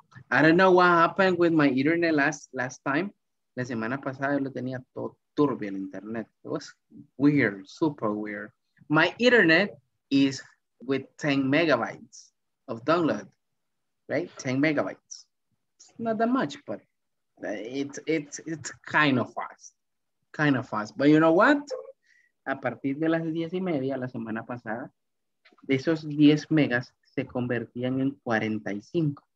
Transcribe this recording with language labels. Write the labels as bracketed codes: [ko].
[en] I don't know what happened with my internet last time. [es] La semana pasada yo lo tenía todo turbio el internet. [en] It was weird, super weird. My internet is with 10 megabytes of download, right? 10 megabytes. Not that much, but it's kind of fast. But you know what? [es] A partir de las 10 y media la semana pasada, de esos 10 megas se convertían en 45.